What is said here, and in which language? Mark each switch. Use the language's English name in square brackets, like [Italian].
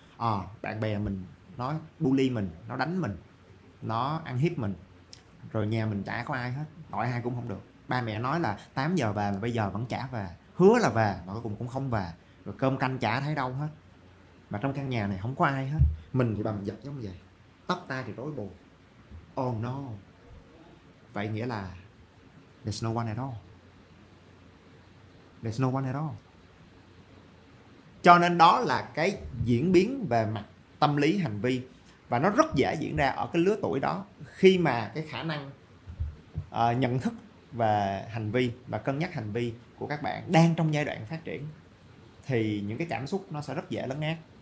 [Vietnamese] À, bạn bè mình nó bully mình, nó đánh mình, nó ăn hiếp mình, rồi nhà mình chả có ai hết, gọi ai cũng không được, ba mẹ nói là 8 giờ về mà bây giờ vẫn chả về, hứa là về mà cuối cùng cũng không về, rồi cơm canh chả thấy đâu hết, mà trong căn nhà này không có ai hết, mình thì bầm dập giống vậy, tóc tai thì rối bù. [English] Oh no, [Vietnamese] vậy nghĩa là [English] there's no one at all, there's no one at all. [Vietnamese] Cho nên đó là cái diễn biến về mặt tâm lý hành vi, và nó rất dễ diễn ra ở cái lứa tuổi đó, khi mà cái khả năng nhận thức về hành vi và cân nhắc hành vi của các bạn đang trong giai đoạn phát triển, thì những cái cảm xúc nó sẽ rất dễ lấn át.